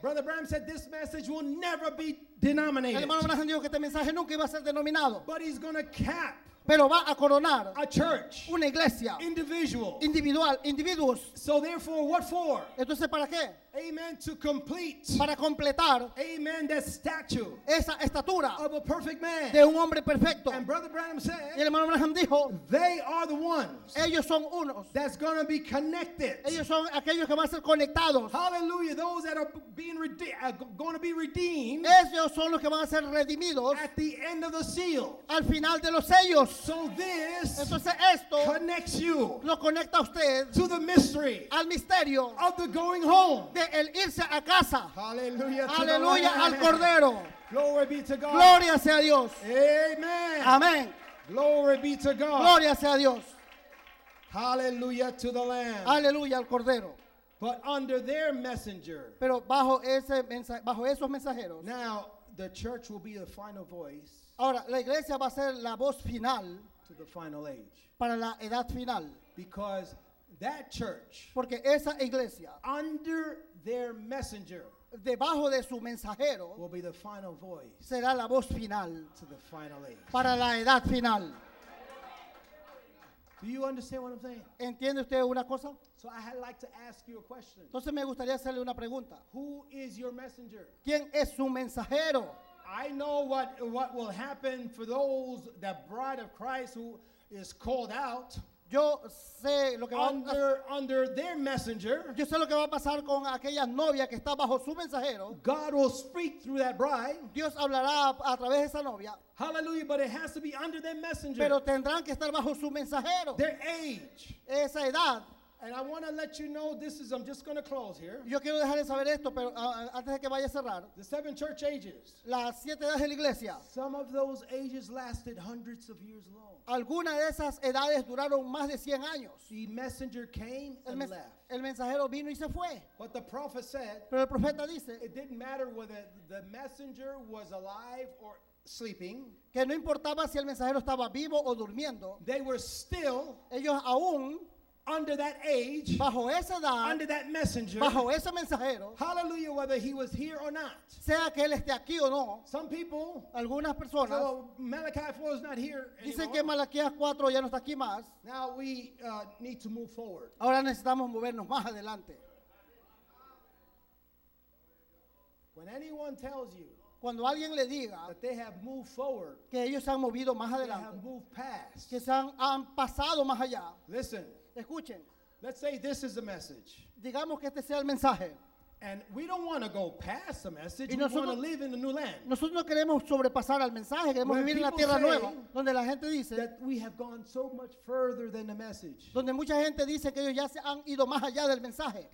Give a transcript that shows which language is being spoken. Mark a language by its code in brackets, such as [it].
[en] Brother Bram said this message will never be denominated. [es] El hermano Branham dijo que este mensaje nunca iba a ser denominado. [en] But he's going to cap. [es] Pero va a coronar [en] a church, [es] una iglesia [en] individual, [es] individual, individuos. [en] So therefore, what for? [es] Entonces, ¿para qué? [en] Amen, to complete, [es] para completar, [en] amen, the statue, [es] esa estatura [en] of a perfect man, [es] de un hombre perfecto. [en] And Brother Branham said, [es] y el hermano Branham dijo, [en] they are the ones, [es] ellos son unos, [en] that's gonna be connected, [es] ellos son aquellos que van a ser conectados. [en] Hallelujah, those that are being gonna be redeemed, [es] ellos son los que van a ser redimidos, [en] at the end of the seal, [es] al final de los sellos. [en] So this, [es] entonces esto, [en] connects you, [es] lo conecta a usted, [en] to the mystery, [es] al misterio, [en] of the going home, [es] de el irse a casa. [en] Hallelujah, [es] aleluya al Cordero. [en] Glory be to God. [es] Gloria sea a Dios. [en] Amen. [es] Amen. [en] Glory be to God. [es] Gloria sea a Dios. [en] Hallelujah to the Lamb. [es] Aleluya al Cordero. [en] But under their messenger. [es] Pero bajo ese bajo esos mensajeros. [en] Now the church will be the final voice. [es] Ahora la iglesia va a ser la voz final. [en] To the final age. [es] Para la edad final. [en] Because that church, [es] porque esa iglesia, [en] under their messenger, [es] debajo de su mensajero, [en] will be the final voice, [es] será la voz final, [en] to the final age, [es] para la edad final. [en] Do you understand what I'm saying? [es] ¿Entiende usted una cosa? [en] So I had like to ask you a question. [es] Entonces me gustaría hacerle una pregunta. [en] Who is your messenger? [es] ¿Quién es su mensajero? [en] I know what will happen for those, the bride of Christ who is called out. [es] Yo sé lo que [en] under their messenger. [es] Yo sé lo que va a pasar con aquella novia que está bajo su mensajero. [en] God will speak through that bride. [es] Dios hablará a través de esa novia. [en] Hallelujah, but it has to be under their messenger. [es] Pero tendrán que estar bajo su mensajero. [en] Their age. [es] Esa edad. [en] And I want to let you know this is, I'm just going to close here. [es] Yo quiero dejarles saber esto, pero antes de que vaya a cerrar. [en] The seven church ages. [es] Las siete edades de la iglesia. [en] Some of those ages lasted hundreds of years long. [es] Algunas de esas edades duraron más de 100 años. [en] The messenger came and left. [es] El mensajero vino y se fue. [en] But the prophet said, [es] pero el profeta dice, [en] it didn't matter whether the messenger was alive or sleeping, [es] que no importaba si el mensajero estaba vivo o durmiendo. [en] They were still, [es] ellos aún, [en] under that age, [es] bajo esa edad, [en] under that messenger, [es] bajo ese mensajero. [en] Hallelujah, whether he was here or not. [es] Sea que él esté aquí o no. [en] Some people, [es] algunas personas, [en] so Malachi 4 is not here [es] dicen [en] anymore. [es] Que Malaquías 4 ya no está aquí más. [en] Now we need to move forward. [es] Ahora necesitamos movernos más adelante. [en] When anyone tells you, [es] cuando alguien le diga, [en] that they have moved forward, [es] que ellos se han movido más adelante, [en] they have moved past, [es] que se han pasado más allá. [en] Listen. [es] Escuchen. [en] Let's say this is the message. [es] Digamos que este sea el mensaje. [en] And we don't want to go past the message. We want to live in the new land. [es] Nosotros no queremos sobrepasar al mensaje. Queremos [en] when [es] vivir en la tierra nueva, donde la gente dice [en] that we have gone so much further than the message. [es] Donde mucha gente dice que ellos ya se han ido más allá del mensaje.